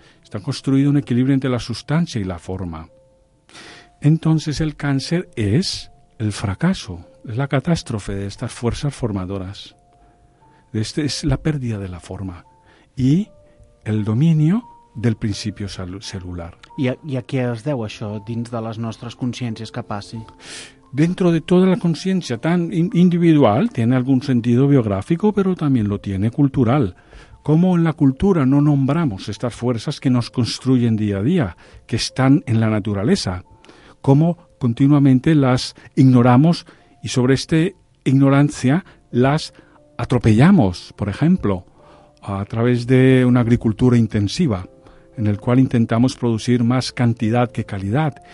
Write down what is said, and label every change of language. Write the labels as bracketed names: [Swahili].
[Spanish] Está construido un equilibrio entre la sustancia y la forma. Entonces el cáncer es el fracaso, es la catástrofe de estas fuerzas formadoras. Este es la pérdida de la forma y el dominio del principio celular. ¿Y a qué [Catalan] es deu això dins de les nostres consciències que passi? [Spanish] Dentro de toda la consciència tan individual, tiene algún sentido biográfico, pero también lo tiene cultural. ¿Cómo en la cultura no nombramos estas fuerzas que nos construyen día a día, que están en la naturaleza? ¿Cómo continuamente las ignoramos y sobre esta ignorancia las atropellamos, por ejemplo, a través de una agricultura intensiva, en el cual intentamos producir más cantidad que calidad?